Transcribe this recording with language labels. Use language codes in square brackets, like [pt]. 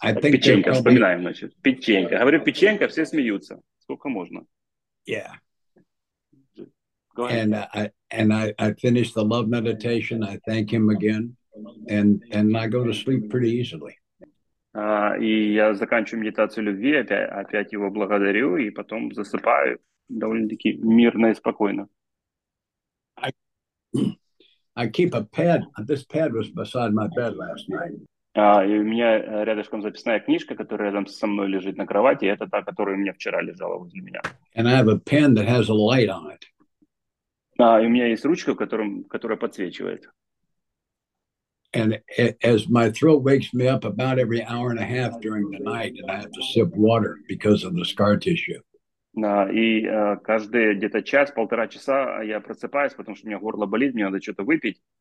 [ru] Печенька, вспоминаем, значит. Печенька. Говорю, печенька, все смеются. Сколько можно? [en] Yeah. Go ahead. And I finish the love meditation, I thank him again, and I go to sleep pretty easily. [ru] И я заканчиваю медитацию любви, опять его благодарю, и потом засыпаю довольно-таки мирно и спокойно. [en] I keep a pad. This pad was beside my bed last night. [ru] И у меня рядышком записная книжка, которая рядом со мной лежит на кровати, это та, которая у меня вчера лежала возле меня. [en] And I have a pen that has a light on it. [ru] И у меня есть ручка, которая подсвечивает. [en] And as my throat wakes me up about every hour and a half during the night, and I have to sip water because of the scar tissue. [ru] Каждые где-то час-полтора часа я просыпаюсь, потому что у меня горло болит, мне надо что-то выпить.